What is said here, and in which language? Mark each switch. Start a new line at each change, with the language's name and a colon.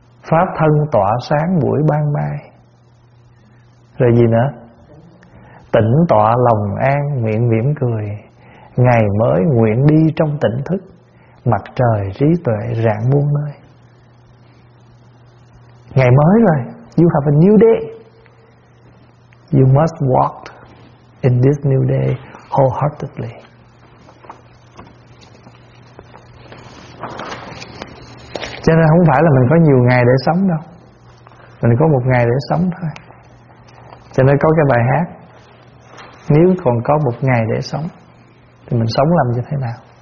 Vietnamese: Pháp thân tỏa sáng buổi ban mai, rồi gì nữa, tỉnh tọa lòng an nguyện mỉm cười, ngày mới nguyện đi trong tỉnh thức, mặt trời trí tuệ rạng muôn nơi. Ngày mới rồi,
English: you have a new day, you must walk in this new day wholeheartedly.
Vietnamese: Cho nên không phải là mình có nhiều ngày để sống đâu, mình có một ngày để sống thôi. Cho nên có cái bài hát, nếu còn có một ngày để sống thì mình sống làm như thế nào.